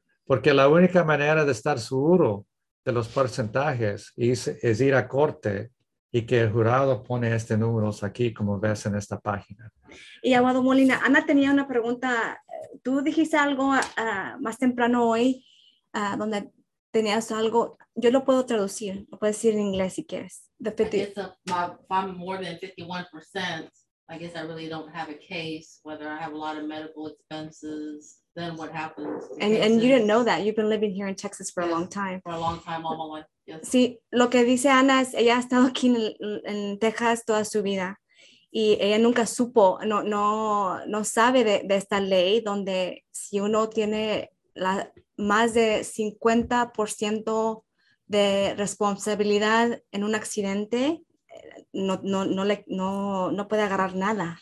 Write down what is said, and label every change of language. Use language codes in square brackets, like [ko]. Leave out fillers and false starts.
[es] Porque la única manera de estar seguro de los porcentajes es ir a corte y que el jurado pone este número aquí, como ves en esta página. Y abogado Molina, Ana tenía una pregunta. Tú dijiste algo más temprano hoy, donde tenías algo. Yo lo puedo traducir, lo puedes decir en inglés si quieres. [en] If I'm more than 51%, I guess I really don't have a case. Whether I have a lot of medical expenses, then what happens? And you didn't know that. You've been living here in Texas for a long time. For a long time, all my life. Yes. [es] Sí, lo que dice Ana es, ella ha estado aquí en Texas toda su vida. Y ella nunca supo, no sabe de esta ley, donde si uno tiene más de 50% de responsabilidad en un accidente, no puede agarrar nada.